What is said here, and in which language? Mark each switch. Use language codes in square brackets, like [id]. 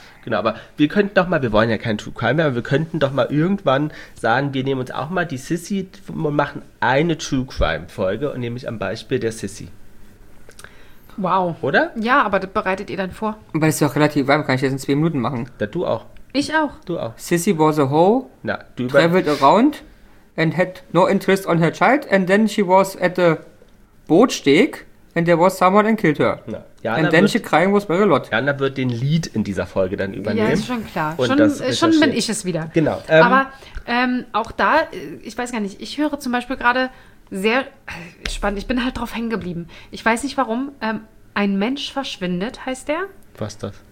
[de] Genau, aber wir könnten doch mal, wir wollen ja kein True Crime mehr, aber wir könnten doch mal irgendwann sagen, wir nehmen uns auch mal die Sissi und machen eine True Crime-Folge und nehme ich am Beispiel der Sissi. Wow. Oder? Ja, aber das bereitet ihr dann vor. Weil das ist doch relativ warm, kann ich jetzt in 2 Minuten machen. Da du auch. Ich auch. [en] Du auch. Sissi was a hoe, [de] na, [en] du traveled around and had no interest on her child and then she was at the Bootsteg and there was someone and killed her. [de] Na. [en] Jana, and then she crying was very lot. [de] Jana wird den Lead in dieser Folge dann übernehmen. Ja, ist schon klar. Schon bin ich es wieder. Genau. Aber auch da, ich weiß gar nicht, ich höre zum Beispiel gerade sehr spannend, ich bin halt drauf hängen geblieben. Ich weiß nicht warum, ein Mensch verschwindet, heißt der. Was das?